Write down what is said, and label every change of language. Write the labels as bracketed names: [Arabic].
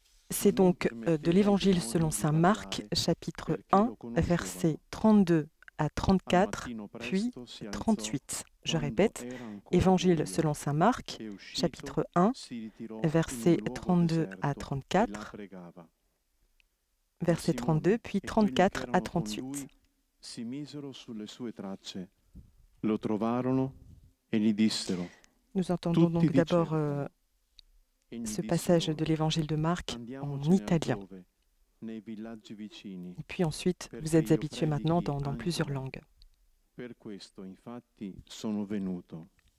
[French] C'est donc de l'Évangile selon saint Marc, chapitre 1, versets 32 à 34, puis 38. Je répète, Évangile selon saint Marc, chapitre 1, versets 32 à 34, versets 32, puis 34 à 38. [Italian] Si misero sulle sue tracce, lo trovarono e gli dissero. [French] Nous entendons donc d'abord ce passage de l'évangile de Marc en italien. Et puis ensuite, vous êtes habitué maintenant dans plusieurs langues. [Italian] Per questo, infatti, sono venuto.